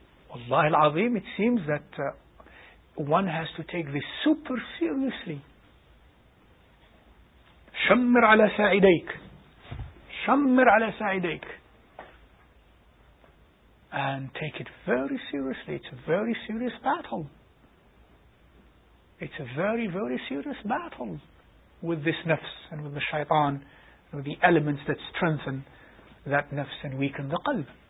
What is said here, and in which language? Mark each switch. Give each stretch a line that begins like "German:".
English: Wallahi al-azim, it seems that one has to take this super seriously.
Arabic: شمر على ساعديك شمر على ساعديك
English: and take it very seriously. It's a very serious battle. It's a very, very serious battle with this nafs and with the shaitan and with the elements that strengthen that nafs and weaken the qalb.